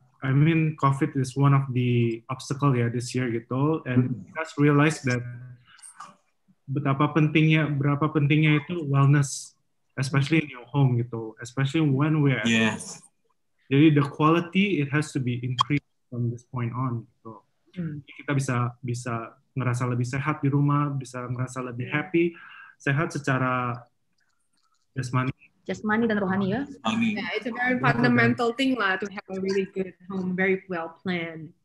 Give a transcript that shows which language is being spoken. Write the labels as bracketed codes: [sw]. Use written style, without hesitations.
[en] I mean COVID is one of the obstacle ya yeah, this year gitu, and just realize that [id] berapa pentingnya itu [en] wellness, especially in your home gitu, especially when we're at yes. [id] Jadi [en] the quality it has to be increased from this point on. [id] So kita bisa ngerasa lebih sehat di rumah, bisa ngerasa lebih happy, sehat secara jasmani dan rohani ya. [en] Yeah, it's a very fundamental thing lah to have a really good home, very well planned.